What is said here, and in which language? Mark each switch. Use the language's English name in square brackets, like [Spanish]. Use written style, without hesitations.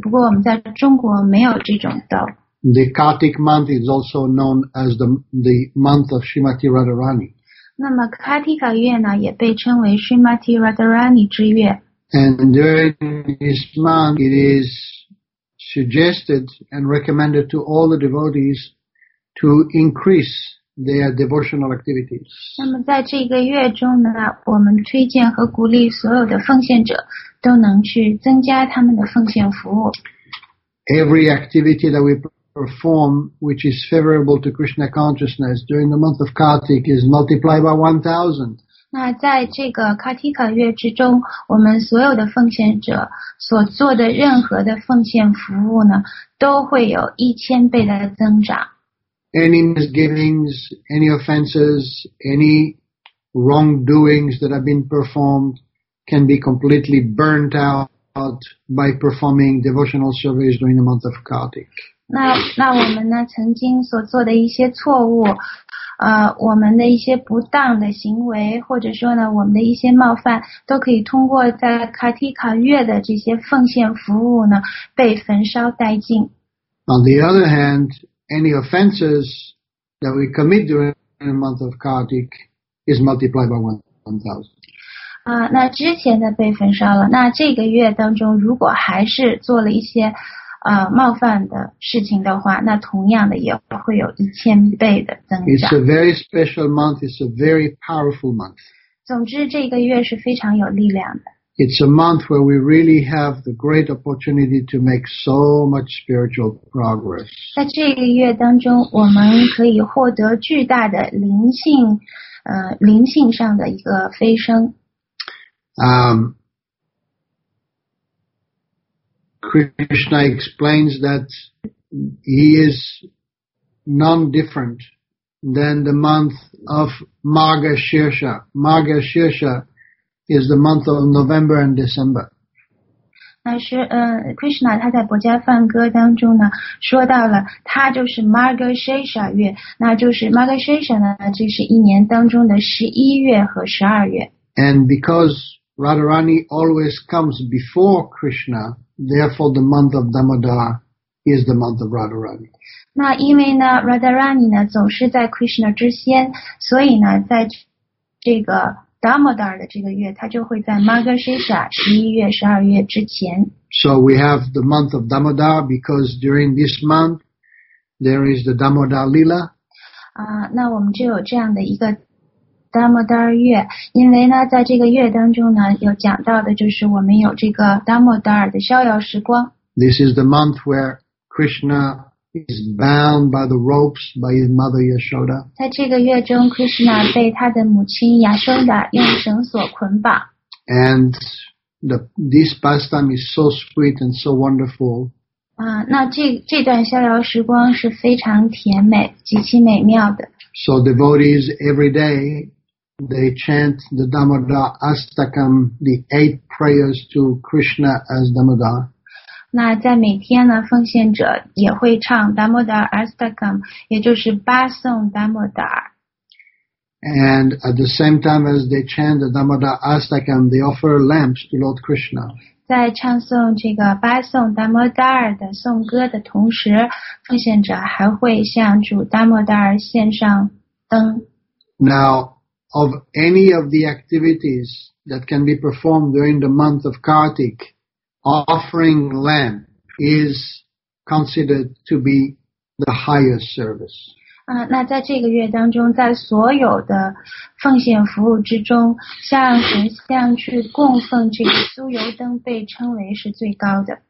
[Chinese] 不过我们在中国没有这种豆。 [English] The Kartik month is also known as the month of Srimati Radharani. [Chinese] 那么 Kartika 月呢，也被称为 Srimati Radharani 之月。 [English] And during this month, it is suggested and recommended to all the devotees to increase their devotional activities. [Chinese] 那么在这个月中呢，我们推荐和鼓励所有的奉献者都能去增加他们的奉献服务。 [English] Every activity that we perform which is favorable to Krishna consciousness during the month of Kartik is multiplied by 1,000. [Chinese] 那在这个 Kartika 月之中，我们所有的奉献者所做的任何的奉献服务呢，都会有1000倍的增长。 [English] Any misgivings, any offenses, any wrongdoings that have been performed can be completely burnt out by performing devotional service during the month of Kartik. [Chinese] 那我们呢，曾经所做的一些错误，我们的一些不当的行为，或者说呢，我们的一些冒犯，都可以通过在 Kartika 月的这些奉献服务呢，被焚烧殆尽。 [English] On the other hand, any offenses that we commit during the month of Kartik is multiplied by 1,000. [Chinese] 那之前的被焚烧了，那这个月当中，如果还是做了一些冒犯的事情的话，那同样的也会有1000倍的增长。 [English] It's a very special month. It's a very powerful month. [Chinese] 总之，这个月是非常有力量的。 [English] It's a month where we really have the great opportunity to make so much spiritual progress. [Chinese] 在这个月当中，我们可以获得巨大的灵性，灵性上的一个飞升。 [English] Krishna explains that he is none different than the month of Magha Shirsha. Magha Shirsha is the month of November and December. [Chinese] 那是Krishna 他在《博迦梵歌》当中呢说到了，他就是 Magha Shirsha 月，那就是 Magha Shirsha 呢，这是一年当中的十一月和十二月。 [English] And because Radharani always comes before Krishna. Therefore, the month of Damodar is the month of Radharani. [Chinese] 那因为呢 ，Radharani 呢总是在 Krishna 之先，所以呢，在这个 Damodar 的这个月，它就会在 Magha Shirsha 十一月、十二月之前。 [English] So we have the month of Damodar because during this month there is the Damodar Lila. [Chinese] 啊，那我们就有这样的一个。 Damodar 月，因为呢，在这个月当中呢，有讲到的就是我们有这个 Damodar 的逍遥时光。 [English] This is the month where Krishna is bound by the ropes by his mother Yashoda. [Chinese] 在这个月中 ，Krishna 被他的母亲 Yashoda 用绳索捆绑。 [English] And this pastime is so sweet and so wonderful. [Chinese] 啊，那这段逍遥时光是非常甜美，极其美妙的。 [English] So devotees every day they chant the Damodar Astakam, the eight prayers to Krishna as Damodar. [Chinese] 那在每天呢，奉献者也会唱 Damodar Astakam, 也就是八颂 Damodar. [English] And at the same time as they chant the Damodar Astakam, they offer lamps to Lord Krishna. [Chinese] 在唱诵这个八颂 Damodar 的颂歌的同时，奉献者还会向主 Damodar 献上灯。 [English] Now, of any of the activities that can be performed during the month of Kartik, offering lamp is considered to be the highest service. [Chinese] 那在这个月当中，在所有的奉献服务之中，向神像去供奉这个酥油灯被称为是最高的。